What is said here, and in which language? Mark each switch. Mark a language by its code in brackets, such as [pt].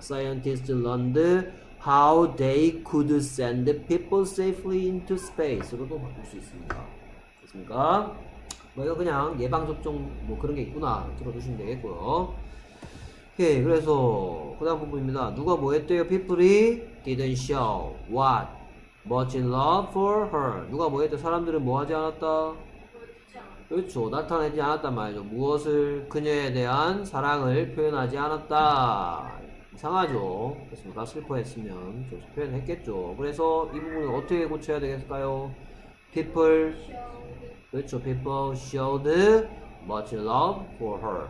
[en] Scientists learned how they could send people safely into space [ko] 로도 바꿀 수 있습니다. 그러니까 뭐 이거 그냥 예방접종 뭐 그런 게 있구나 들어주시면 되겠고요. 오케이. 그래서 그 다음 부분입니다. 누가 뭐 했대요? [en] People didn't show what much in love for her. [ko] 누가 뭐 했대요? 사람들은 뭐 하지 않았다? 그렇죠. 나타내지 않았단 말이죠. 무엇을? 그녀에 대한 사랑을 표현하지 않았다. 이상하죠. 그렇습니까? 슬퍼했으면 표현했겠죠. 그래서 이 부분을 어떻게 고쳐야 되겠을까요? [en] People, [ko] 그렇죠. [en] People showed much love for her.